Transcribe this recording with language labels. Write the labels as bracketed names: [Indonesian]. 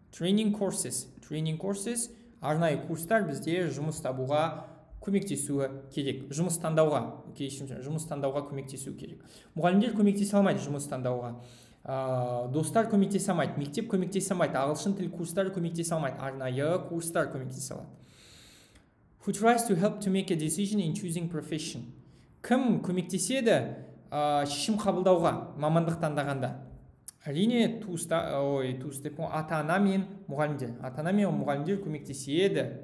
[Kazakh] Training courses, арнайы курстар бізде жұмыс табуға көмектесуі керек. Жұмыс таңдауға көмектесуі керек. Мұғалімдер көмектесе алмайды жұмыс таңдауға. Достар көмектесе алмайды. Мектеп көмектесе алмайды. Ағылшын тіл курстары көмектесе алмайды. Арнайы курстар көмектесе алады. [English] Who tries to help to make a decision in choosing profession? [Kazakh] Кім көмектеседі шешім қабылдауға мамандық таңдағанда? Әрине, ата-ана мен мұғалімдер көмектеседі.